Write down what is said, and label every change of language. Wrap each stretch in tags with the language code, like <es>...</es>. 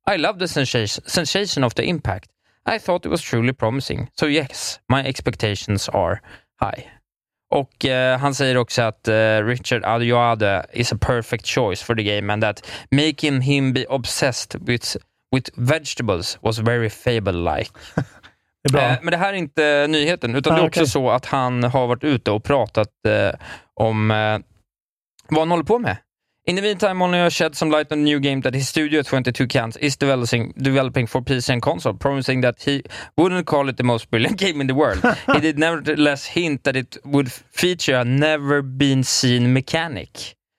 <en>I loved the sensation of the impact. I thought it was truly promising. So yes, my expectations are high.</en> <sv>Och han säger också att</sv> <en>Richard Adjoade is a perfect choice for the game and that making him be obsessed with vegetables was very Fable-like.</en> <sv>Men det här är inte nyheten, utan det är också så att han har varit ute och pratat om vad han håller på med.</sv> <en>In the meantime, Molyneux has shed some light on a new game that his studio 22 Cans is developing for PC and console, promising that he wouldn't call it the most brilliant game in the world. He did nevertheless hint that it would feature a never been seen mechanic.</en>